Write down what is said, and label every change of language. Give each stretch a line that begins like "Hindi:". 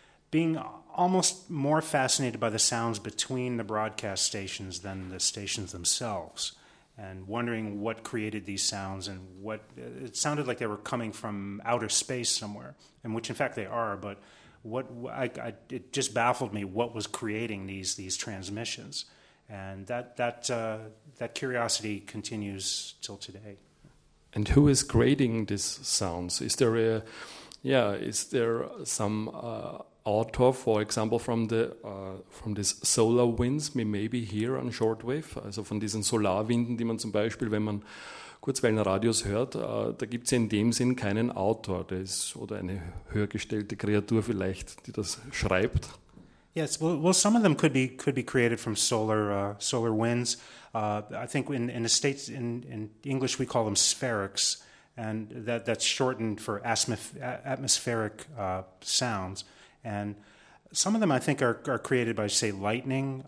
English: being almost more fascinated by the sounds between the broadcast stations than the stations themselves, and wondering what created these sounds and what it sounded like they were coming from outer space somewhere, and which in fact they are, but what I it just baffled me what was creating these transmissions, and that curiosity continues till today. And who is creating these sounds? Is there a, yeah, is there some author, for example, from these solar winds, maybe here on shortwave,
German: also von diesen Solarwinden, die man zum Beispiel, wenn man Kurzwellenradios hört, da gibt es in dem Sinn keinen Autor, das, oder eine höhergestellte Kreatur vielleicht, die das schreibt.
English: Yes, well, some of them could be created from solar winds. I think in the States, in English, we call them spherics, and that's shortened for atmospheric sounds. And some of them, I think, are created by, say, lightning.